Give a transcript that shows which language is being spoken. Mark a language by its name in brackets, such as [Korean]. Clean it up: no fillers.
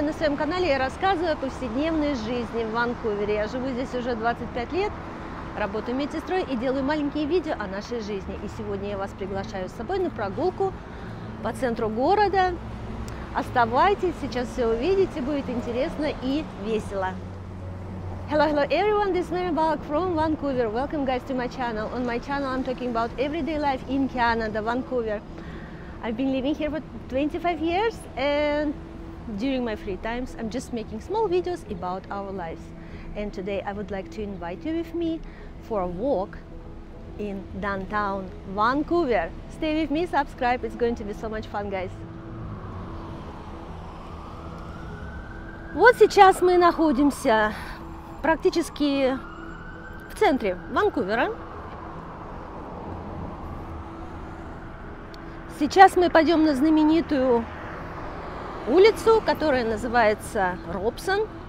[Russian] На своем канале я рассказываю о повседневной жизни в Ванкувере. Я живу здесь уже 25 лет, работаю медсестрой и делаю маленькие видео о нашей жизни. И сегодня я вас приглашаю с собой на прогулку по центру города. Оставайтесь, сейчас все увидите, будет интересно и весело. [English] Hello, hello everyone, this is Mary Balak from Vancouver. Welcome guys to my channel. On my channel I'm talking about everyday life in Canada, Vancouver. I've been living here for 25 years and during my free times I'm just making small videos about our lives. And today I would like to invite you with me for a walk in downtown Vancouver. Stay with me, subscribe, it's going to be so much fun, guys. [Russian] Вот сейчас мы находимся практически в центре Ванкувера. Сейчас мы пойдем на знаменитую улицу, которая называется Робсон.